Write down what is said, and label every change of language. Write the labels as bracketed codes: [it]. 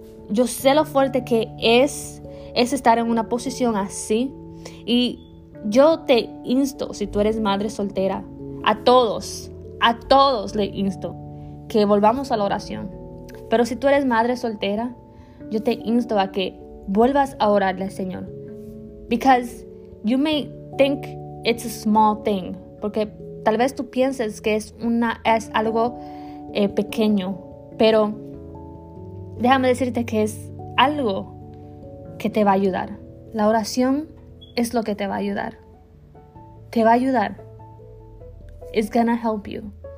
[es] Yo sé lo fuerte que es estar en una posición así. Y yo te insto, si tú eres madre soltera, a todos le insto que volvamos a la oración. Pero si tú eres madre soltera, yo te insto a que vuelvas a orarle al Señor. [en] Because you may think it's a small thing. [es] Porque tal vez tú pienses que es algo pequeño. Pero déjame decirte que es algo que te va a ayudar. La oración es lo que te va a ayudar. Te va a ayudar. [en] It's gonna help you.